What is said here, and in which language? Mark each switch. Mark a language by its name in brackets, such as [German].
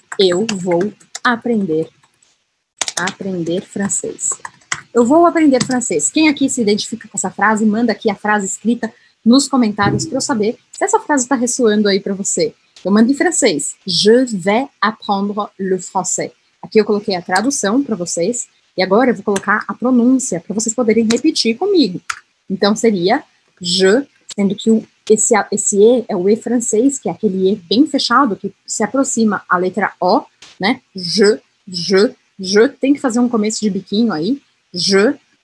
[Portuguese] Eu vou aprender francês. Eu vou aprender francês. Quem aqui se identifica com essa frase, manda aqui a frase escrita nos comentários para eu saber se essa frase está ressoando aí para você. Eu mando em francês. [French] Je vais apprendre le français. [Portuguese] Aqui eu coloquei a tradução para vocês. E agora eu vou colocar a pronúncia para vocês poderem repetir comigo. Então seria [French] je, [Portuguese] sendo que esse E é o E francês, que é aquele E bem fechado, que se aproxima à letra O, né? [French] Je, je, je. [Portuguese] Tem que fazer um começo de biquinho aí. Je.